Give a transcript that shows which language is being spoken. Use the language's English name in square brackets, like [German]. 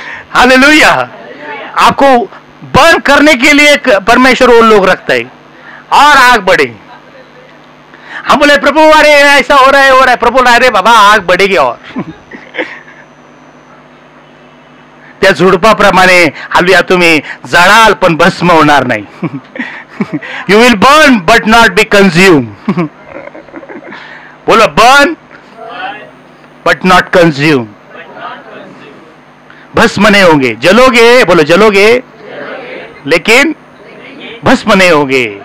[Hindi] Hallelujah, आपको burn करने के लिए परमेश्वर वो लोग रखता है और आग बढ़े। हम बोले प्रभु अरे ऐसा हो रहा है हो रहा है, प्रभु अरे बाबा आग बढ़ेगी और। [Marathi] त्या झुडपा प्रमाणे हालेलुया तुम्ही जळाल पण भस्म होणार नाही। [English] You will burn but not be consume. [Hindi] बोला [English] burn but not consume, [Hindi] भस्म नहीं होंगे, जलोगे, बोलो जलोगे, लेकिन भस्म नहीं होंगे।